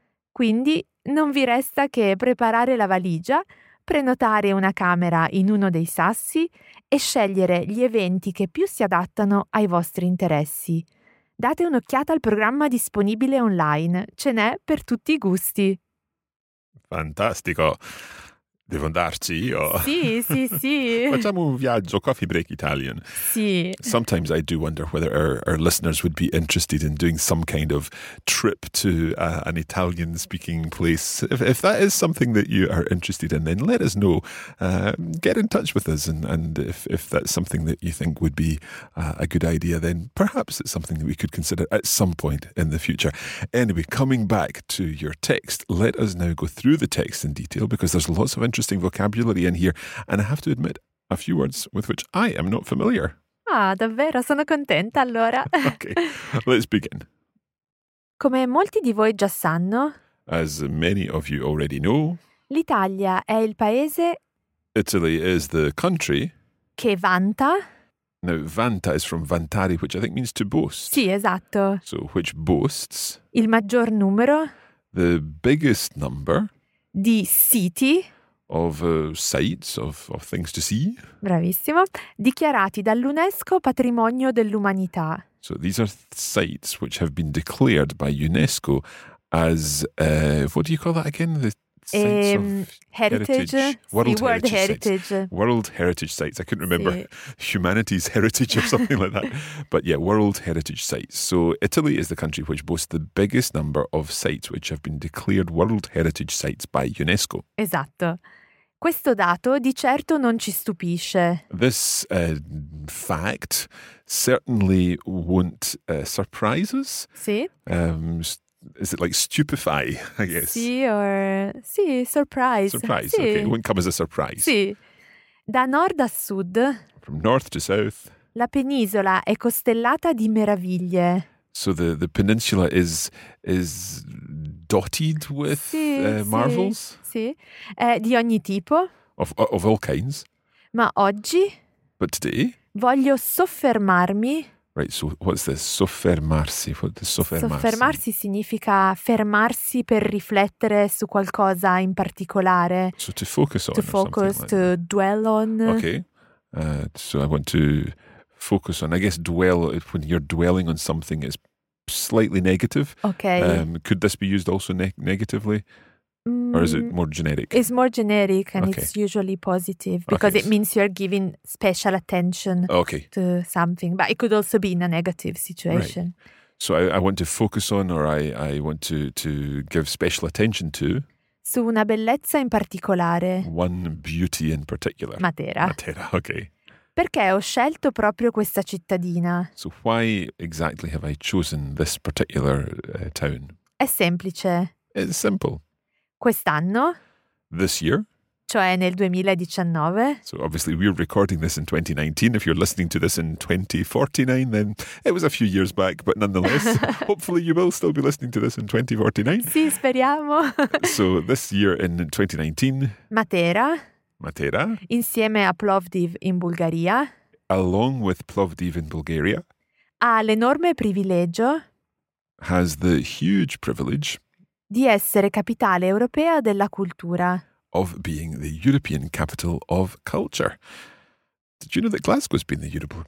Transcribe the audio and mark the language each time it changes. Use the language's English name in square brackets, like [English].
[Italian] Quindi non vi resta che preparare la valigia, prenotare una camera in uno dei Sassi e scegliere gli eventi che più si adattano ai vostri interessi. Date un'occhiata al programma disponibile online, ce n'è per tutti i gusti. Fantastico! Devo andarci io? Sì. Facciamo un viaggio Coffee Break Italian. Sì. [English] Sometimes I do wonder whether our listeners would be interested in doing some kind of trip to an Italian-speaking place. If that is something that you are interested in, then let us know. Get in touch with us. And if that's something that you think would be a good idea, then perhaps it's something that we could consider at some point in the future. Anyway, coming back to your text, let us now go through the text in detail because there's lots of interesting vocabulary in here, and I have to admit, a few words with which I am not familiar. [Italian] Ah, davvero? Sono contenta allora. [English] Okay, let's begin. [Italian] Come molti di voi già sanno, [English] as many of you already know, [Italian] l'Italia è il paese. [English] Italy is the country. [Italian] Che vanta. [English] Now, vanta is from vantare, which I think means to boast. [Italian] Sì, esatto. [English] So, which boasts. [Italian] Il maggior numero. [English] The biggest number. [Italian] Di siti. [English] Of sites, of things to see. [Italian] Bravissimo. Dichiarati dall'UNESCO Patrimonio dell'Umanità. [English] So these are sites which have been declared by UNESCO as, what do you call that again? The sites of heritage. World Heritage sites. World Heritage Sites. I couldn't remember. Sì. Humanity's Heritage or something like that. But yeah, World Heritage Sites. So Italy is the country which boasts the biggest number of sites which have been declared World Heritage Sites by UNESCO. [Italian] Esatto. Questo dato di certo non ci stupisce. [English] This fact certainly won't surprise us. [Italian] Sì. [English] Is it like stupefy, I guess? Sì, or... Sì, surprise. Surprise, [Italian] sì. [English] Okay. It wouldn't come as a surprise. [Italian] Sì. Da nord a sud... [English] From north to south... [Italian] La penisola è costellata di meraviglie. [English] So the peninsula is dotted with [Italian] sì, [English] marvels? [Italian] Sì, di ogni tipo. [English] Of all kinds. [Italian] Ma oggi... [English] But today... [Italian] Voglio soffermarmi... [English] Right, so what's this? Soffermarsi. What does soffermarsi? [Italian] Soffermarsi significa fermarsi per riflettere su qualcosa in particolare. [English] So to focus on. To focus, like to that. Dwell on. Okay. So I want to focus on. I guess dwell, when you're dwelling on something, is slightly negative. Okay. Could this be used also negatively? Or is it more generic? It's more generic and okay. It's usually positive because okay. It means you're giving special attention okay. to something. But it could also be in a negative situation. Right. So I want to focus on or I want to give special attention to... [Italian] Su una bellezza in particolare. [English] One beauty in particular. [Italian] Matera. [English] Matera, okay. [Italian] Perché ho scelto proprio questa cittadina? [English] So why exactly have I chosen this particular town? [Italian] È semplice. [English] It's simple. [Italian] Quest'anno, [English] this year, [Italian] cioè nel 2019, [English] so obviously we're recording this in 2019, if you're listening to this in 2049, then it was a few years back, but nonetheless, hopefully you will still be listening to this in 2049. [Italian] Sì, speriamo. [English] So this year in 2019, [Italian] Matera, insieme a Plovdiv in Bulgaria, [English] along with Plovdiv in Bulgaria, [Italian] ha l'enorme privilegio, [English] has the huge privilege, [Italian] di essere capitale europea della cultura. [English] Of being the European capital of culture. Did you know that Glasgow has been the European